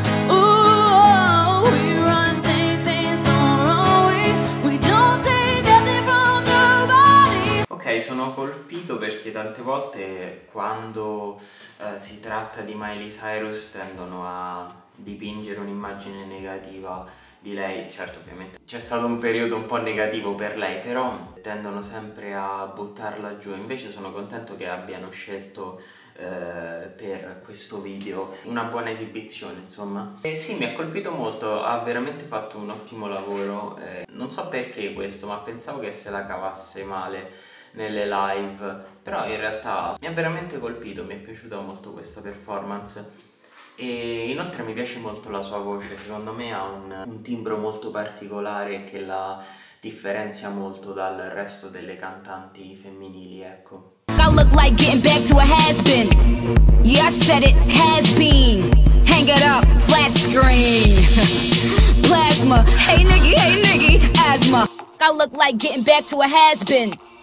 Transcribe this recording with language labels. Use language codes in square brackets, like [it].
[en] Ooh, we run things, things don't run. We don't take nothing from nobody. [it] Ok, sono colpito perché tante volte quando si tratta di Miley Cyrus tendono a dipingere un'immagine negativa di lei. Certo, ovviamente c'è stato un periodo un po' negativo per lei, però tendono sempre a buttarla giù. Invece sono contento che abbiano scelto per questo video una buona esibizione, insomma. E sì, mi ha colpito molto, ha veramente fatto un ottimo lavoro. Non so perché questo, ma pensavo che se la cavasse male nelle live, però in realtà mi ha veramente colpito, mi è piaciuta molto questa performance. E inoltre mi piace molto la sua voce, secondo me ha un timbro molto particolare che la differenzia molto dal resto delle cantanti femminili, ecco. [en] I look like getting back to a has-been. Yeah, I said it, has-been. Hang it up, flat screen. Plasma, hey Nikki, asthma. I look like getting back to a has-been.